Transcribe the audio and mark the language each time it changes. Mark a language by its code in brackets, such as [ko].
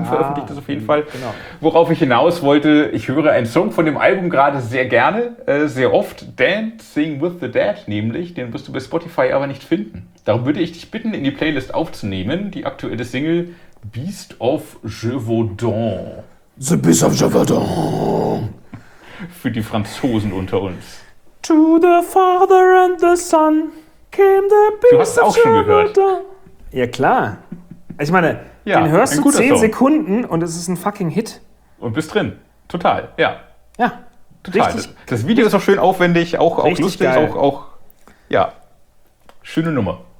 [de] Unveröffentlichtes auf jeden Fall. Genau. Worauf ich hinaus wollte, ich höre einen Song von dem Album gerade sehr gerne, sehr oft. Dancing with the Dead nämlich. Den wirst du bei Spotify aber nicht finden. Darum würde ich dich bitten, in die Playlist aufzunehmen, die aktuelle Single Beast of Gévaudan. The Beast of Gévaudan. Für die Franzosen unter uns. [en] To the Father and the Son came the Beast. [de] Du hast es auch schon gehört. Ja, klar. Ich meine, ja, den hörst du 10 Sekunden und es ist ein fucking Hit. Und bist drin. Total, ja. Ja, total. Richtig. Das Video ist auch schön aufwendig, auch lustig. Geil. Auch, ja, schöne Nummer.